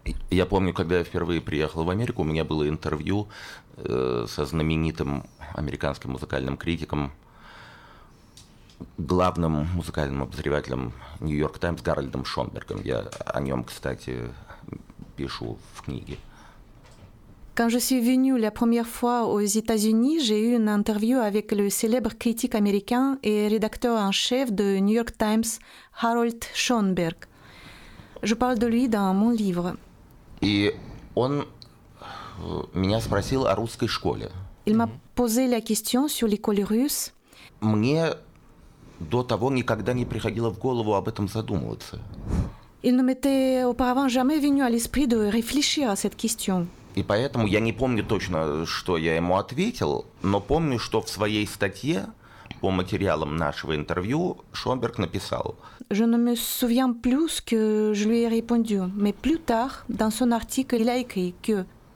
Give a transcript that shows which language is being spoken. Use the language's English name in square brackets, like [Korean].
[Russian] Я помню, когда я впервые приехал в Америку, у меня было интервью со знаменитым американским музыкальным критиком, главным музыкальным обозревателем New York Times Гарольдом Шонбергом. Я о нем, кстати, пишу в книге. [French] Quand je suis venue la première fois aux États-Unis, j'ai eu une interview avec le célèbre critique américain et rédacteur en chef de New York Times, Harold Schoenberg. Je parle de lui dans mon livre. [Russian] И он меня спросил о русской школе. [French] Il m'a posé la question sur l'école russe. [Russian] Мне до того никогда не приходило в голову об этом задумываться. [French] Il ne m'était auparavant jamais venu à l'esprit de réfléchir à cette question. [Russian] И поэтому я не помню точно, что я ему ответил, но помню, что в своей статье по материалам нашего интервью Шонберг написал. [French] Je ne me souviens plus ce que je lui ai répondu, mais plus tard, dans son article, il a écrit que...